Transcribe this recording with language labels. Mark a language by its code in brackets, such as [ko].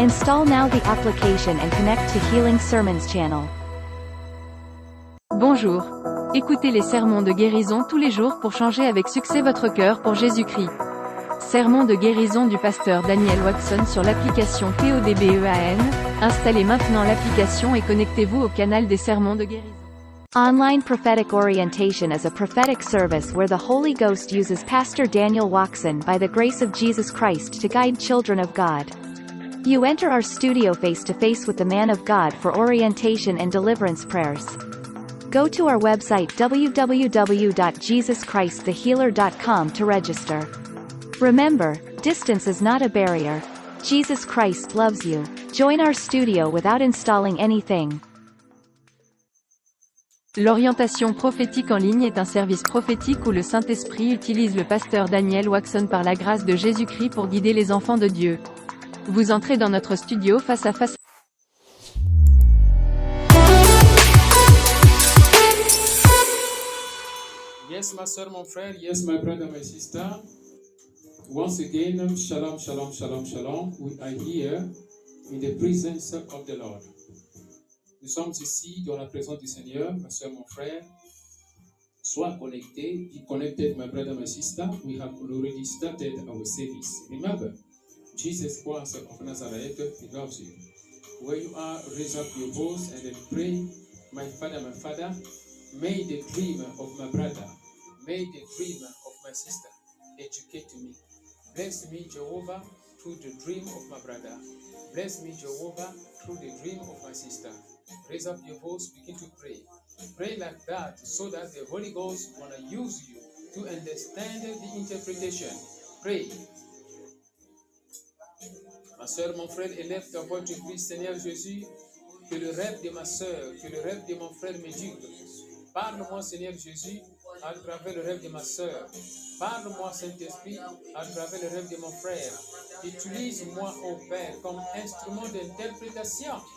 [en] Install now the application and connect to Healing Sermons channel. [fr] Bonjour. Écoutez les sermons de guérison tous les jours pour changer avec succès votre cœur pour Jésus-Christ. Sermon de guérison du pasteur Daniel Waxon sur l'application PODBEAN. Installez maintenant l'application et connectez-vous au canal des sermons de guérison. [en] Online Prophetic Orientation is a prophetic service where the Holy Ghost uses Pastor Daniel Waxon by the grace of Jesus Christ to guide children of God. You enter our studio face to face with the man of God for orientation and deliverance prayers. Go to our website www.jesuschristthehealer.com to register. Remember, distance is not a barrier. Jesus Christ loves you. Join our studio without installing anything. [fr] L'orientation prophétique en ligne est un service prophétique où le Saint-Esprit utilise le pasteur Daniel Waxon par la grâce de Jésus-Christ pour guider les enfants de Dieu. Vous entrez dans notre studio face à face. [en] Yes, [fr] ma soeur, mon frère. [en] Yes, my brother, my sister. Once again, shalom, shalom, shalom, shalom. We are here in the presence of the Lord. [fr] Nous sommes ici dans la présence du Seigneur, ma soeur, mon frère. Sois connecté. [en] Be connected, my brother, my sister. We have already started our service. Remember, Jesus Christ of Nazareth, he loves you. Where you are, raise up your voice and then pray, my father, may the dream of my brother, may the dream of my sister educate me. Bless me, Jehovah, through the dream of my brother. Bless me, Jehovah, through the dream of my sister. Raise up your voice, begin to pray. Pray like that so that the Holy Ghost wanna use you to understand the interpretation. Pray. [fr] Ma soeur, mon frère, élève ta voix, tu pries, Seigneur Jésus, que le rêve de ma soeur, que le rêve de mon frère m'éduque. Parle-moi, Seigneur Jésus, à travers le rêve de ma soeur. Parle-moi, Saint-Esprit, à travers le rêve de mon frère. Utilise-moi, ô Père, comme instrument d'interprétation.